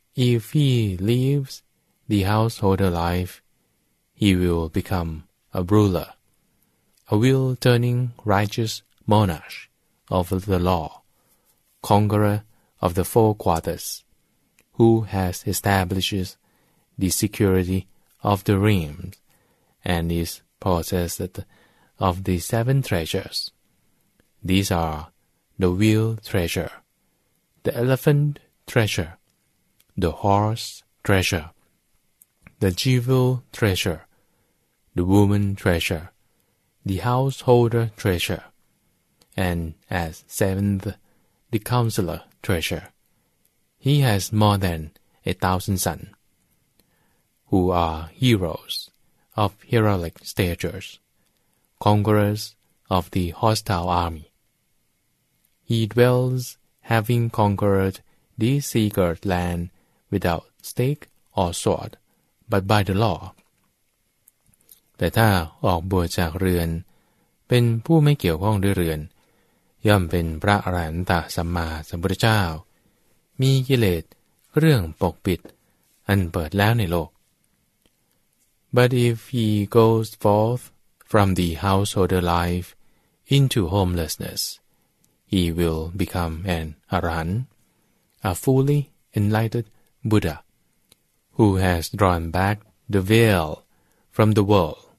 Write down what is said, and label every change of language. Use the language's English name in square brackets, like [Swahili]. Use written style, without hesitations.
[English] If he lives the householder life, he will become a ruler, a will-turning righteous monarch of the law, conqueror of the four quarters, who has established the security of the realms and is possessed of the seven treasures. These are the wheel treasure, the elephant treasure, the horse treasure, the jewel treasure, the woman treasure, the householder treasure, and as seventh, the counselor treasure. He has more than 1,000 sons, who are heroes of heroic stages, conquerors of the hostile army. He dwells having conquered this secret land without stake or sword, but by the law. [Thai] แต่ถ้าออกบวชจากเรือนเป็นผู้ไม่เกี่ยวข้องด้วยเรือนย่อมเป็นพระอรหันตสัมมาสัมพุทธเจ้า มีกิเลสเรื่องปกปิดอันเปิดแล้วในโลก [English] But if he goes forth from the householder life into homelessness, he will become an Arahant, a fully enlightened Buddha, who has drawn back the veil from the world.